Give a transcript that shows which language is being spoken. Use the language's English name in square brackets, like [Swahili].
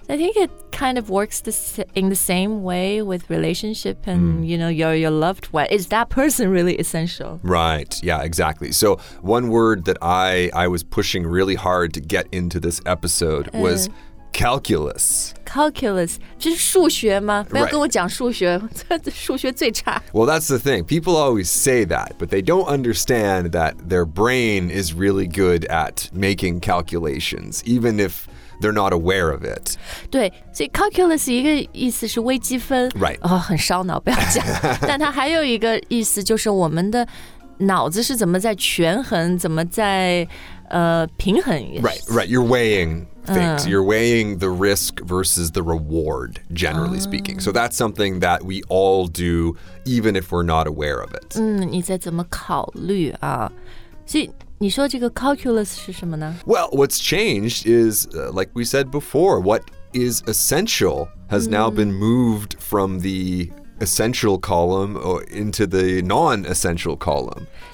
[English] I think itkind of works in the same way with relationship and,、mm. you know, your loved one. Is that person really essential? Right. Yeah, exactly. So one word that I was pushing really hard to get into this episode was calculus. [Chinese] Calculus. 这是数学吗？不要跟我讲数学，数学最差。 [English] Well, that's the thing. People always say that, but they don't understand that their brain is really good at making calculations, even if... They're not aware of it. [Chinese] 对，所以 calculus 一个意思是微积分 [English] ，right？ [Chinese] 哦，很烧脑，不要讲。但它还有一个意思就是我们的脑子是怎么在权衡，怎么在平衡 [English] ？Right, right. You're weighing things.、You're weighing the risk versus the reward, generally speaking. So that's something that we all do, even if we're not aware of it. [Chinese] 嗯，你在怎么考虑啊？所以。你说这个 calculus 是什么呢 [English] Well, what's changed is,、like we said before, what is essential has、mm. now been moved from the essential column or into the non-essential column.